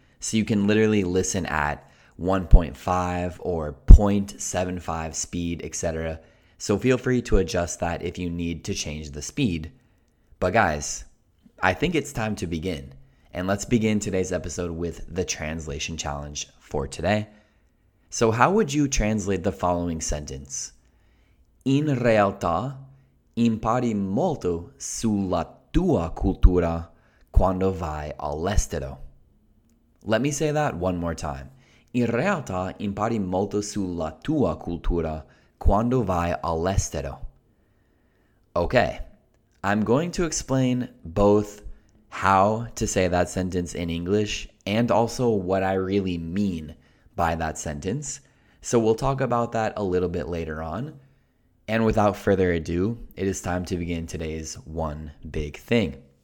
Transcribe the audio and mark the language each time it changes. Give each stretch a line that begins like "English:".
English: So you can literally listen at 1.5 or 0.75 speed, etc. So feel free to adjust that if you need to change the speed. But guys, I think it's time to begin. And let's begin today's episode with the translation challenge for today. So how would you translate the following sentence?
Italian: In realtà, impari molto sulla tua cultura quando vai all'estero.
English: Let me say that one more time.
Italian: In realtà, impari molto sulla tua cultura quando vai all'estero.
English: Okay, I'm going to explain both how to say that sentence in English and also what I really mean by that sentence. So we'll talk about that a little bit later on. And without further ado, it is time to begin today's one big thing.